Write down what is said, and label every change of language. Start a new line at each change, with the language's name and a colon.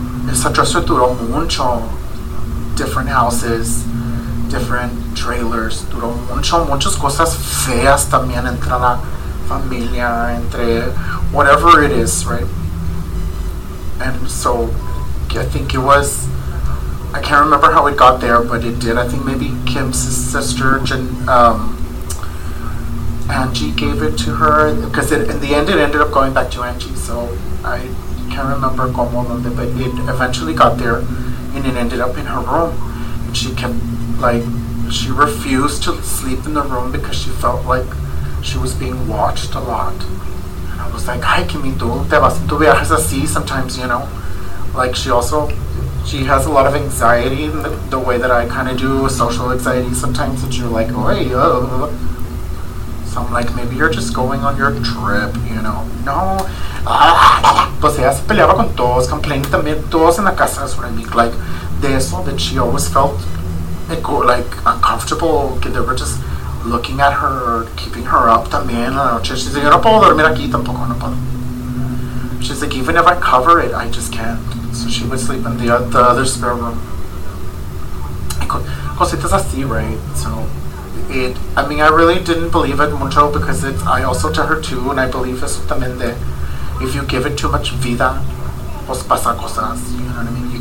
Spanish: Esa dresser duró mucho,
English: different houses, different trailers,
Spanish: duró mucho, muchas cosas feas también entre la familia, entre
English: whatever it is, right? And so, I think it was, I can't remember how it got there, but it did. I think maybe Kim's sister, Angie, gave it to her, because in the end, it ended up going back to Angie, so I can't remember como, but it eventually got there, and it ended up in her room. And she kept, like, she refused to sleep in the room because she felt like she was being watched a lot.
Spanish: And I was like, ay, que me tú, te vas, tú viajas así
English: sometimes, you know? Like, she has a lot of anxiety, in the way that I kind of do, social anxiety sometimes, that you're like, oi, So I'm like, maybe you're just going on your trip, you know?
Spanish: No. Pues ella se peleaba con todos,
English: complained to me,
Spanish: todos en la casa,
English: that's what I mean. Like,
Spanish: de eso,
English: that she always felt, like, uncomfortable, que they were just looking at her, keeping her up
Spanish: también en la noche.
English: She's like,
Spanish: yo no puedo dormir aquí tampoco, no puedo.
English: She's like, even if I cover it, I just can't. So she would sleep in the other spare room.
Spanish: Cositas así,
English: right? So, I really didn't believe it mucho because I also tell her too, and I believe
Spanish: eso también de,
English: if you give it too much
Spanish: vida, pues pasa cosas,
English: you know what I mean?